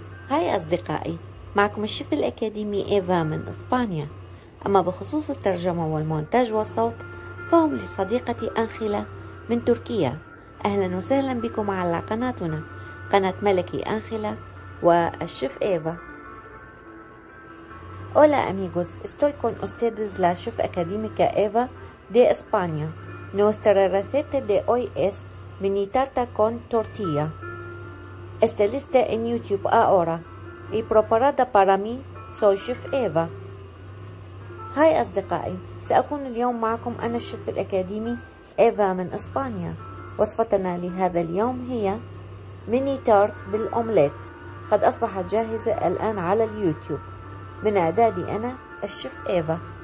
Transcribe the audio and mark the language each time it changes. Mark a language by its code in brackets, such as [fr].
[ar] هاي أصدقائي، معكم الشيف الأكاديمي إيفا من إسبانيا. أما بخصوص الترجمة والمونتاج والصوت فهم لصديقتي أنخلة من تركيا. أهلا وسهلا بكم على قناتنا، قناة ملكي أنخلة والشيف إيفا. [es] Hola amigos, estoy con ustedes la chef académica Eva de España. Nuestra receta de hoy es mini tarta con tortilla. Está lista en YouTube ahora y preparada para mí, soy chef Eva. [ar] Hi أصدقائي، سأكون اليوم معكم أنا الشيف الأكاديمي إيفا من إسبانيا. وصفتنا لهذا اليوم هي ميني تارت بالأومليت، قد أصبحت جاهزة الآن على اليوتيوب من إعدادي أنا الشيف إيفا.